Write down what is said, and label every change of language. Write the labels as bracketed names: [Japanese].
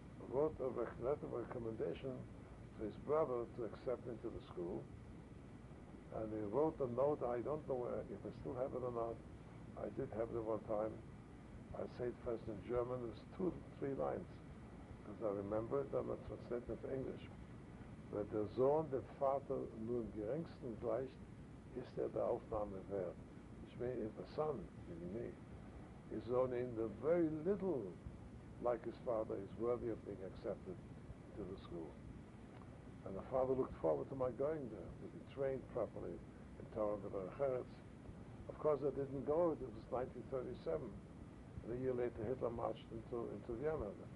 [English] Wrote a letter of recommendation to his brother to accept into the school. And he wrote a note, I don't know if I still have it or not. I did have it one time. I say it first in German. It was two, three lines. Because I remember it, I'm a translator of English. [German] Wenn der Sohn dem Vater nur im Geringsten gleicht, ist der Aufnahme wert. Ich meine, [English] if a son, meaning me, is only in the very little like his father, is worthy of being accepted to the school. And the father looked forward to my going there, to be trained properly in Torah and Derech Eretz. Of course, I didn't go. It was 1937. And a year later, Hitler marched into Vienna.